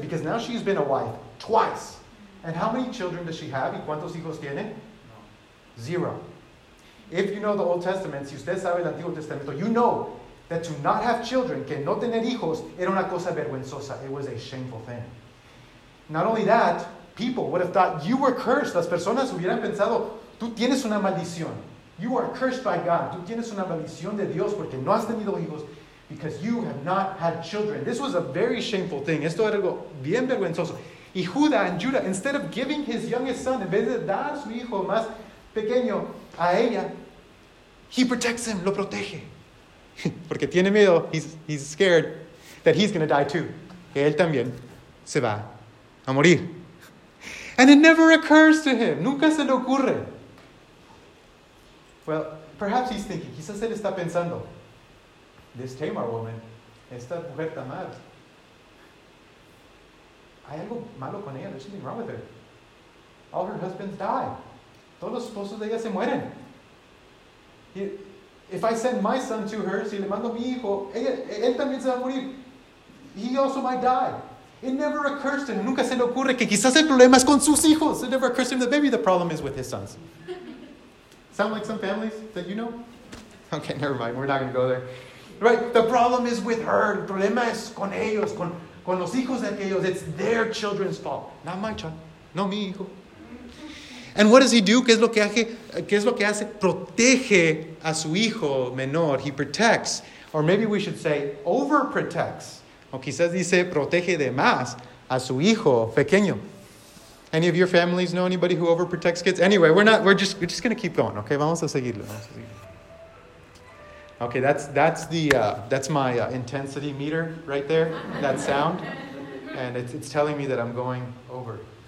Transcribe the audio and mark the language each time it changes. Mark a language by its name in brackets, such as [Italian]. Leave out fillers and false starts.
[English] Because now she's been a wife twice. And how many children does she have? [Spanish] ¿Y cuántos hijos tiene? [English] No. Zero. If you know the Old Testament, [Spanish] si usted sabe el Antiguo Testamento, [English] you know that to not have children, [Spanish] que no tener hijos, era una cosa vergonzosa. [English] It was a shameful thing. Not only that, people would have thought you were cursed. [Spanish] Las personas hubieran pensado, tú tienes una maldición. [English] You are cursed by God. [Spanish] Tú tienes una maldición de Dios porque no has tenido hijos, [English] because you have not had children. This was a very shameful thing. [Spanish] Esto era algo bien vergonzoso. Y Judah [English] and Judah, instead of giving his youngest son, [Spanish] en vez de dar a su hijo más pequeño a ella, [English] he protects him, [Spanish] lo protege. Porque tiene miedo, [English] he's scared that he's going to die too. [Spanish] Que él también se va a morir. [English] And it never occurs to him. [Spanish] Nunca se le ocurre. [English] Well, perhaps he's thinking, [Spanish] quizás él está pensando, [English] this Tamar woman, [Spanish] esta mujer Tamar, hay algo malo con ella, [English] there's something wrong with her. All her husbands die. [Spanish] Todos los esposos de ella se mueren. [English] If I send my son to her, [Spanish] si le mando mi hijo, él también se va a morir. [English] He also might die. It never occurs to him. [Spanish] Nunca se le ocurre que quizás el problema es con sus hijos. [English] It never occurs to him that maybe the problem is with his sons. Sound like some families that you know? Okay, never mind. We're not going to go there. Right? The problem is with her. [Spanish] El problema es con ellos, con los hijos de aquellos. [English] It's their children's fault. Not my child. [Spanish] No, mi hijo. [English] And what does he do? [Spanish] ¿Qué es lo que hace? Protege a su hijo menor. [English] He protects. Or maybe we should say overprotects. [Spanish] O quizás dice protege de más a su hijo pequeño. [English] Any of your families know anybody who overprotects kids? Anyway, we're just going to keep going. Okay, [Spanish] vamos a seguirlo. [English] Okay, that's my intensity meter right there. That sound, and it's telling me that I'm going over.